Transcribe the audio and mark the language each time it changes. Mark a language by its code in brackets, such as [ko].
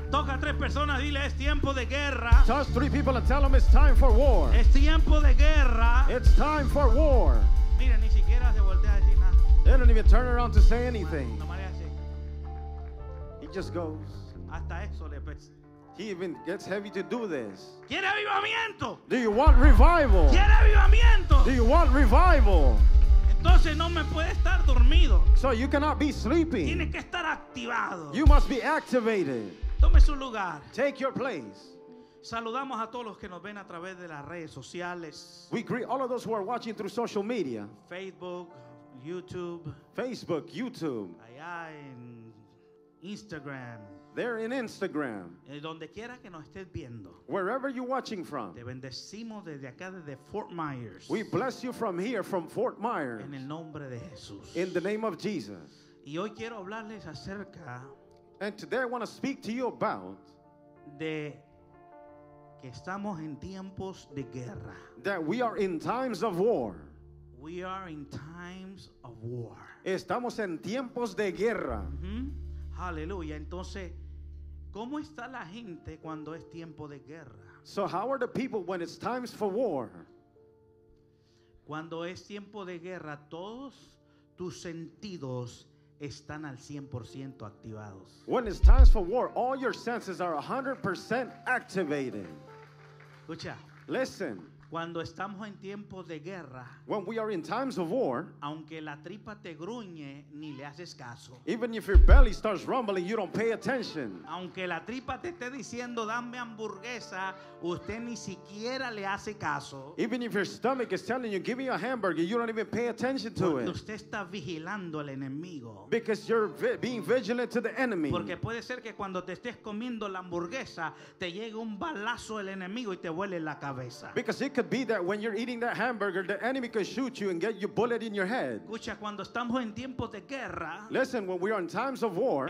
[es] Toca a tres personas, dile, es tiempo de guerra. [en] Touch three people and tell them it's time for war. [es] Es tiempo de guerra. [en] It's time for war. [es] Mira, ni siquiera se voltea a decir nada. [en] They don't even turn around to say anything. [es] No, [en] it just goes. [es] Hasta eso le pesa. [en] He even gets heavy to do this. [es] ¿Quiere avivamiento? [en] Do you want revival? [es] ¿Quiere avivamiento? [en] Do you want revival? [es] Entonces no me puede estar dormido. [en] So you cannot be sleeping. [es] Tiene que estar activado. [en] You must be activated. [es] Tome su lugar. [en] Take your place. [es] Saludamos a todos los que nos ven a través de las redes sociales. [en] We greet all of those who are watching through social media. [es] Facebook, YouTube. [en] Facebook, YouTube. [es] Allá en Instagram. [en] They're in Instagram. [es] Donde quiera que nos estés viendo. [en] Wherever you're watching from. [es] Te bendecimos desde acá, desde Fort Myers. [en] We bless you from here, from Fort Myers. [es] En el nombre de Jesús. [en] In the name of Jesus. [es] Y hoy quiero hablarles acerca. [en] And today I want to speak to you about. [es] De que estamos en tiempos de guerra. [en] That we are in times of war. We are in times of war. [es] Estamos en tiempos de guerra. Aleluya. Entonces, ¿cómo está la gente cuando es tiempo de guerra? [en] So how are the people when it's times for war? [es] Cuando es tiempo de guerra, todos tus sentidos están al 100% activados. [en] When it's times for war, all your senses are 100% activated. [es] Escucha. [en] Listen. [es] Cuando estamos en tiempos de guerra, [en] when we are in times of war, [es] aunque la tripa te gruñe, ni le haces caso. [en] Even if your belly starts rumbling, you don't pay attention. [es] Aunque la tripa te esté diciendo, dame hamburguesa, usted ni siquiera le hace caso. [en] Even if your stomach is telling you, give me a hamburger, you don't even pay attention to [es] Usted está vigilando al enemigo. [en] Because you're being vigilant to the enemy. [es] Porque puede ser que cuando te estés comiendo la hamburguesa, te llegue un balazo del enemigo y te vuele la cabeza. [en] Because it could be that when you're eating that hamburger, the enemy could shoot you and get you bullet in your head. [es] Escucha, cuando estamos en tiempos de guerra, [en] listen, when we are in times of war,